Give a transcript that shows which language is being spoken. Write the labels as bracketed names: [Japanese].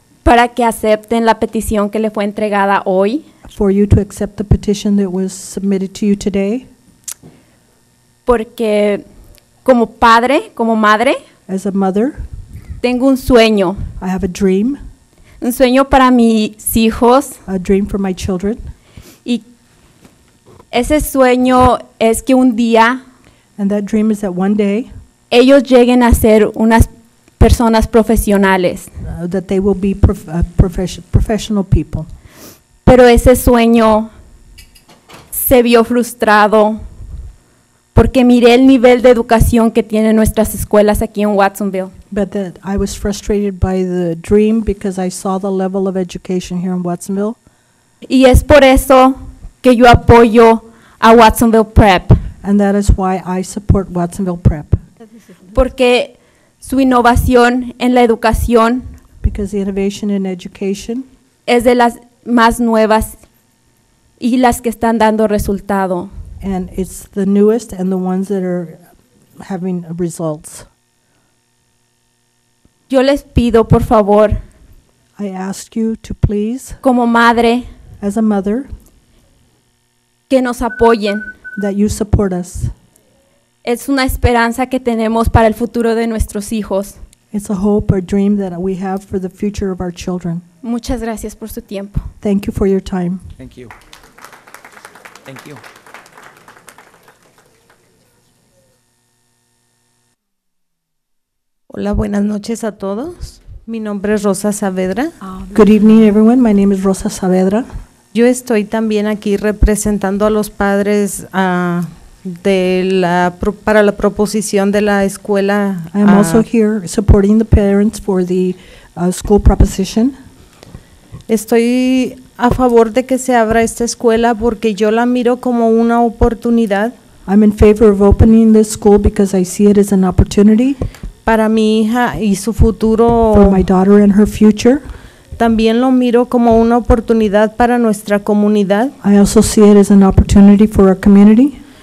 [Spanish] Para que acepten la petición que le fue entregada hoy. [English] for you to accept the petition that was submitted to you today? [Spanish] Porque como padre, como madre, [English] as a mother, [Spanish] tengo un sueño. [English] I have a dream. [Spanish] Un sueño para mis hijos. [English] A dream for my children. [Spanish] Y ese sueño es que un día, [English] and that dream is that one day, [Spanish] ellos lleguen a ser unas personas profesionales. [English] That they will be professional people. [Spanish] Pero ese sueño se vio frustrado porque miré el nivel de educación que tienen nuestras escuelas aquí en Watsonville. [English] But that I was frustrated by the dream because I saw the level of education here in Watsonville. [Spanish] Y es por eso que yo apoyo a Watsonville Prep. [English] And that is why I support Watsonville Prep. [Spanish] Porque su innovación en la educación, [English] because the innovation in education, [Spanish] es de las más nuevas y las que están dando resultado. [English] And it's the newest and the ones that are having results. [Spanish] Yo les pido, por favor, [English] I ask you to please, [Spanish] como madre, [English] as a mother, [Spanish] que nos apoyen, [English] that you support us. [Spanish] Es una esperanza que tenemos para el futuro de nuestros hijos. [English] It's a hope or dream that we have for the future of our children. [Spanish] Muchas gracias por su tiempo. [English] Thank you for your time. Thank you. Thank you. [Spanish] Hola, buenas noches a todos. Mi nombre es Rosa Saavedra. [English] Good evening, everyone. My name is Rosa Saavedra. [Spanish] Yo estoy también aquí representando a los padres para la proposición de la escuela. [English] I am also here supporting the parents for the school proposition. [Spanish] Estoy a favor de que se abra esta escuela porque yo la miro como una oportunidad. [English] I'm in favor of opening this school because I see it as an opportunity. [Spanish] Para mi hija y su futuro. [English] For my daughter and her future. [Spanish] También lo miro como una oportunidad para nuestra comunidad. [English] I also see it as an opportunity for our community.